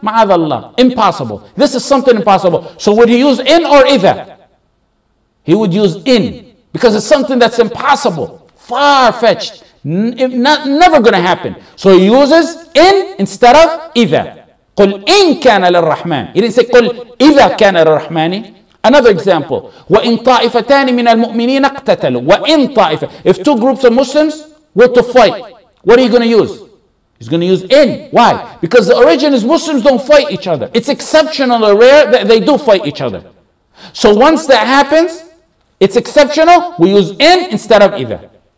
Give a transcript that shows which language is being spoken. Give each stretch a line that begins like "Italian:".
Arabic: مَعَذَ اللَّهِ.
English: Impossible. This is something impossible. So would he use in or إذا? He would use in, because it's something that's impossible, far-fetched, never going to happen. So he uses in instead of إذا.
Arabic: قُلْ إِن كَانَ لِلرَّحْمَانِ.
English: He didn't say,
Arabic: قُلْ إِذَا كَانَ لِلرَّحْمَانِ.
English: Another example.
Arabic: وَإِن طَائِفَتَانِ مِنَ الْمُؤْمِنِينَ اقْتَتَلُوا. وَإِن طَائِفَةٍ.
English: If two groups of Muslims were to fight, what are you going to use? He's going to use in. Why? Because the origin is Muslims don't fight each other. It's exceptional or rare that they do fight each other. So once that happens, it's exceptional, we use in instead of إِذَا.